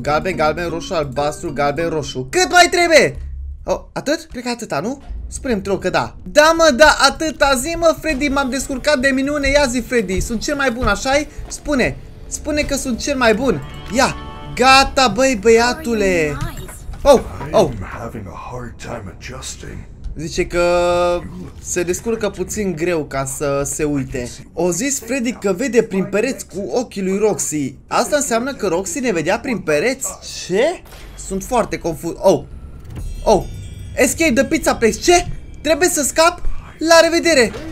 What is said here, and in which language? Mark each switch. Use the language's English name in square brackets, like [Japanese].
[Romanian] Galben, galben, roșu, albastru, galben, roșu. Cât mai trebuie? Oh, atât? Cred că atâta, nu? Spune-mi trebuie că da. Da, mă, da, atâta. Zi, mă, Freddy, m-am descurcat de minune. Ia zi, Freddy, sunt cel mai bun, așa-i? Spune, spune că sunt cel mai bun. Ia. Gata, băi, băiatule. Oh, oh. [English] I'm having a hard time adjusting. [Romanian] Zice că se descurcă puțin greu ca să se uite. O zis Freddy că vede prin pereți cu ochii lui Roxy. Asta înseamnă că Roxy ne vedea prin pereți? Ce? Sunt foarte confuz. Oh. Oh. [English] Escape the pizza place. [Romanian] Ce? Trebuie să scap? La revedere.